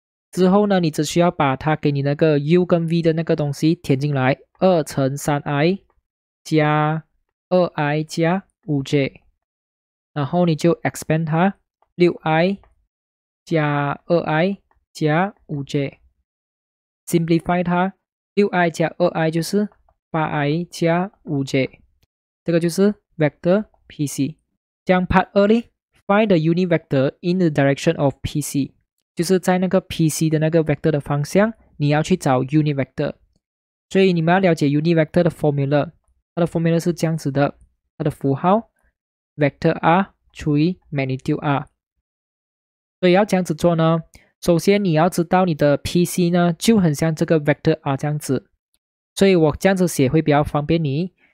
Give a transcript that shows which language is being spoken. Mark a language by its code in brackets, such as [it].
[zh] 之后呢，你只需要把它给你那个 U 跟 V 的那个东西填进来，2乘 3I 加 2I 加 5J， 然后你就 expand 它 6I 加 2I 加 5J， simplify 它 6I 加 2I 就是8i 加 5j， 这个就是 vector PC。讲 part 2 呢， [en] find the unit vector in the direction of PC， [zh] 就是在那个 PC 的那个 vector 的方向你要去找 unit vector。所以你们要了解 unit vector 的 formula， 它的 formula 是这样子的，它的符号 vector r 除以 magnitude r。所以要这样子做呢，首先你要知道你的 PC 呢就很像这个 vector r 这样子，所以我这样子写会比较方便你。